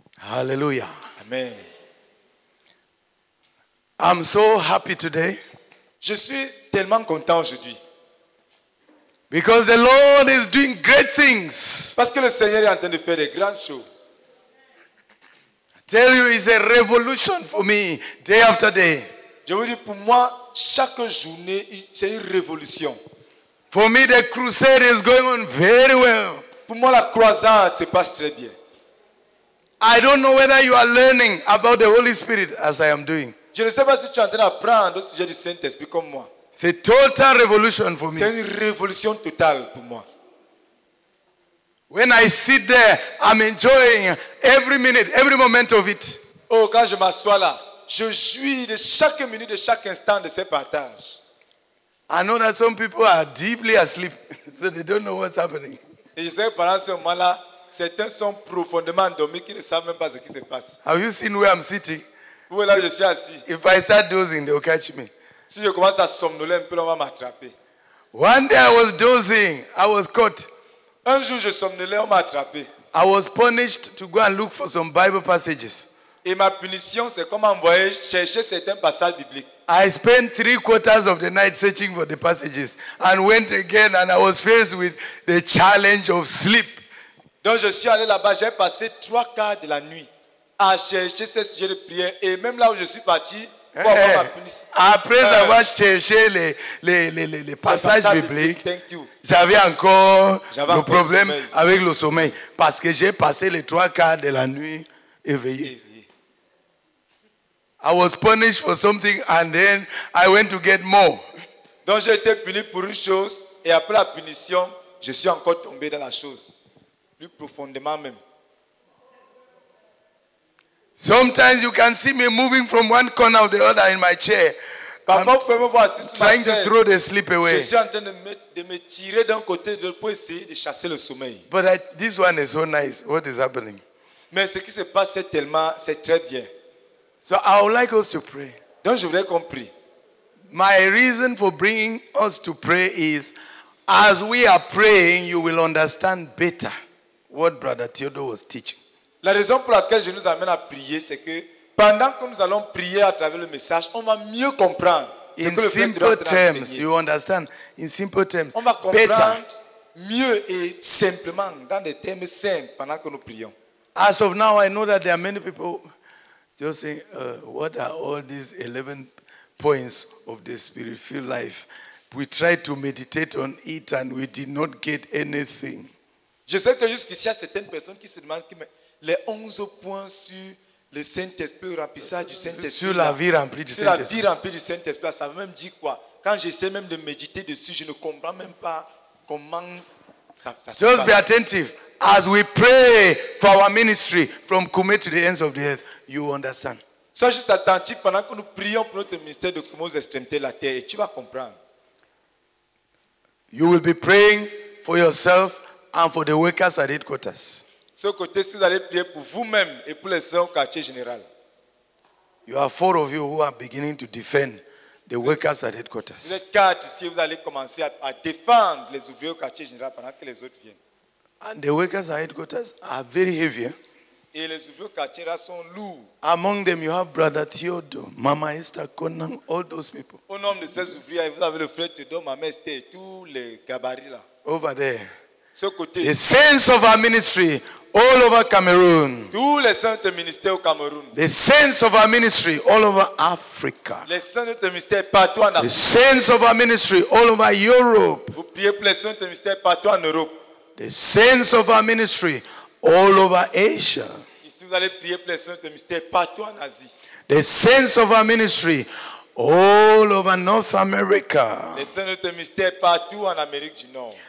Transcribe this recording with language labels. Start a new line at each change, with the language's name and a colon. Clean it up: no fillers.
English: Alléluia. Amen. I'm so happy today.
French: Je suis tellement content aujourd'hui.
English: Because the Lord is doing great things.
French: Parce que le Seigneur est en train de faire des grandes choses.
English: Tell you, it's a revolution for me day after day.
French: Je vous dis, pour moi, chaque journée, c'est une révolution.
English: For me, the crusade is going on very well.
French: Pour moi, la croisade se passe très bien.
English: I don't know whether you are learning about the Holy Spirit as I am doing.
French: Je ne sais pas si tu es en train d'apprendre au sujet du Saint-Esprit comme moi. C'est
English: total revolution for me.
French: C'est une révolution totale pour moi.
English: When I sit there, I'm enjoying every minute, every moment of it.
French: Oh, quand je m'assois là, je jouis de chaque minute, de chaque instant de ces partages.
English: I know that some people are deeply asleep, so they don't know what's happening.
French: Et je sais que pendant ce moment-là, certains sont profondément endormis qui ne savent même pas ce qui se passe.
English: Have you seen where I'm sitting?
French: Où est là je suis assis?
English: If I start dozing, they'll catch me.
French: Si je commence à somnoler un peu, on va m'attraper.
English: One day I was dozing, I was caught.
French: Un jour, je somnolais, on m'a attrapé.
English: I was punished to go and look for some Bible passages.
French: Et ma punition, c'est comme envoyer chercher certains passages bibliques.
English: I spent 3/4 of the night searching for the passages and went again and I was faced with the challenge of sleep.
French: Donc je suis allé là-bas, j'ai passé 3/4 de la nuit à chercher ces sujets de prière et même là où je suis parti, après avoir cherché les passages bibliques, j'avais encore le problème sommeil. Avec le sommeil parce que j'ai passé les 3/4 de la nuit éveillé.
English: I was punished for something and then I went to get more.
French: Donc j'ai été puni pour une chose et après la punition, je suis encore tombé dans la chose plus profondément même.
English: Sometimes you can see me moving from one corner of the other in my chair. I'm trying to throw the sleep away.
French: Je suis en train de me tirer d'un côté pour essayer de chasser le sommeil.
English: But this one is so nice. What is happening?
French: Mais ce qui se passe c'est tellement, c'est très bien.
English: So I would like us to pray.
French: Donc je voudrais qu'on prie.
English: My reason for bringing us to pray is, as we are praying, you will understand better what Brother Theodore was teaching.
French: La raison pour laquelle je nous amène à prier, c'est que pendant que nous allons prier à travers le message, on va mieux comprendre ce
English: in
French: que le
English: simple
French: Père
English: terms, you understand? In simple terms,
French: on va comprendre
English: better.
French: Mieux et simplement dans des termes simples pendant que nous prions.
English: As of now, I know that there are many people just saying, "What are all these 11 points of the spirit-filled life? We tried to meditate on it and we did not get anything."
French: Je sais que jusqu'ici, il y a certaines personnes qui se demandent qui. Les 11 points sur le Saint-Esprit, le remplissage du Saint-Esprit. Sur la vie remplie du sur Saint-Esprit. Sur la vie remplie du Saint-Esprit, ça veut même dire quoi? Quand j'essaie même de méditer dessus, je ne comprends même pas comment ça se passe.
English: Just be attentive. As we pray for our ministry from Kume to the ends of the earth, you understand.
French: Sois juste attentif pendant que nous prions pour notre ministère de Kume aux extrémités de la terre et tu vas comprendre.
English: You will be praying for yourself and for the workers at headquarters.
French: Ce côté, si vous allez prier pour vous-même et pour les soeurs au quartier général.
English: You are four of you who are beginning to defend the workers at headquarters.
French: Vous êtes quatre ici, vous allez commencer à défendre les ouvriers au quartier général pendant que les autres viennent.
English: And the workers at headquarters are very heavy.
French: Et les ouvriers au quartier général sont lourds.
English: Among them, you have Brother Theodore, Mama Esther, Conan, all those people.
French: Au nom de ces ouvriers, vous avez le frère Theodore, Mama Esther, tous les gabarits là.
English: Over there.
French: Ce côté,
English: the saints of our ministry all over Cameroon.
French: Tous les saints de ministère au Cameroun.
English: The saints of our ministry all over Africa.
French: Les saints de ministère partout en Afrique.
English: The saints of our ministry all over Europe.
French: Vous priez pour les saints de ministère partout en Europe.
English: The saints of our ministry all over Asia.
French: Ici, vous allez prier pour les saints de ministère partout en Asie.
English: The saints of our ministry all over North America.
French: Les saints de ministère partout en Amérique du Nord.